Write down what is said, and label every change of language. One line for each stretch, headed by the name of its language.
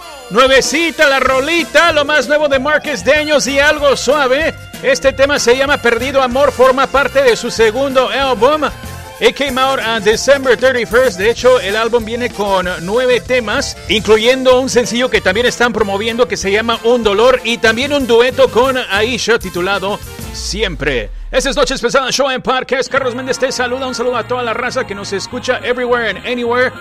Spanish: Nuevecita la rolita, lo más nuevo de Marques Daniels y algo suave. Este tema se llama Perdido Amor, forma parte de su segundo álbum.
English: It came out on December 31st.
Spanish: De hecho, el álbum viene con 9 temas, incluyendo un sencillo que también están promoviendo que se llama Un Dolor y también un dueto con Aisha titulado Siempre. Esta es Noche Especial, Show and Podcast. Carlos Méndez te saluda. Un saludo a toda la raza que nos escucha
English: everywhere and anywhere.